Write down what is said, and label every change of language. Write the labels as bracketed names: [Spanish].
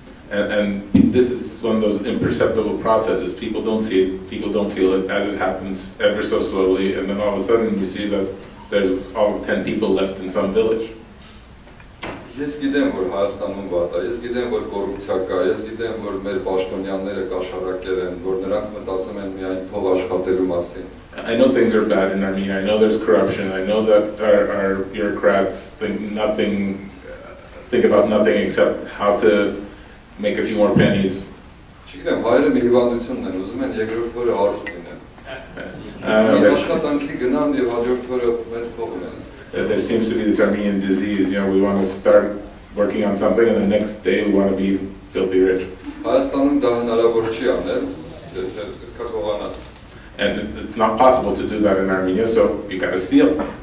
[English] And this is one of those imperceptible processes. People don't see it, people don't feel it, as it happens ever so slowly, and then all of a sudden you see that there's all 10 people left in some village. [Armenian] Ես գիտեմ, որ Հայաստանում վատ է, ես գիտեմ, որ կոռուպցիա կա, ես գիտեմ, որ մեր պաշտոնյաները կաշառակեր են, որ նրանք մտածում են միայն փող աշխատելու մասին. [English] I know things are bad in Armenia. I know there's corruption. I know that our bureaucrats think about nothing except how to make a few more pennies. [Armenian] Չի գիտեմ, հայերը մի հիվանդությունն են, ուզում են երկրորդ օրը հարուստ լինեն. Աշխատանքի գնան եւ հաջորդ օրը մեծ փող ունեն. [English] There seems to be this Armenian disease, you know, we want to start working on something and the next day we want to be filthy rich. And it's not possible to do that in Armenia, so you got to steal.